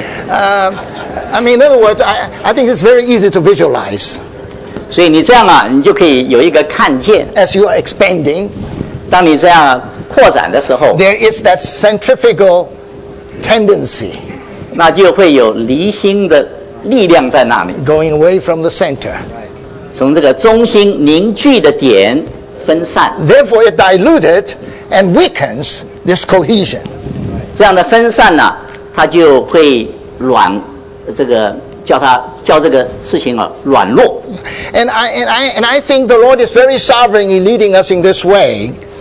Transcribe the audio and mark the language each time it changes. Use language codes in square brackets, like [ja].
[en] I mean, in other words, I think it's very easy to visualize. [zh] 所以你这样啊，你就可以有一个看见。 [en] As you are expanding, [zh] 当你这样扩展的时候, [en] there is that centrifugal tendency. [zh] 那就会有离心的力量在那里。 [en] Going away from the center. [zh] 从这个中心凝聚的点分散。 [en] Therefore, it diluted and weakens this cohesion. [zh] 这样的分散呢，它就会软。这个叫这个事情软弱。 [en] And I think the Lord is very sovereign in leading us in this way.